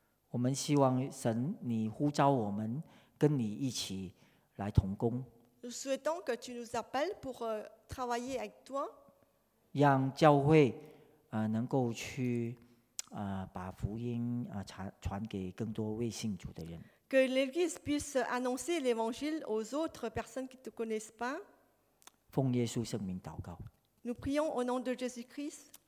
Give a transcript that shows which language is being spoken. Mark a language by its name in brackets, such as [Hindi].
[Chinese] 我们希望神你呼召我们跟你一起来同工。 [French] Nous souhaitons que tu nous appelles pour travailler avec toi. [Chinese] 让教会能够去把福音传给更多未信主的人。 [French] Que l'Église puisse annoncer l'Évangile aux autres personnes qui ne te connaissent pas. [Chinese] 奉耶稣圣名祷告。 [French] Nous prions au nom de Jésus-Christ.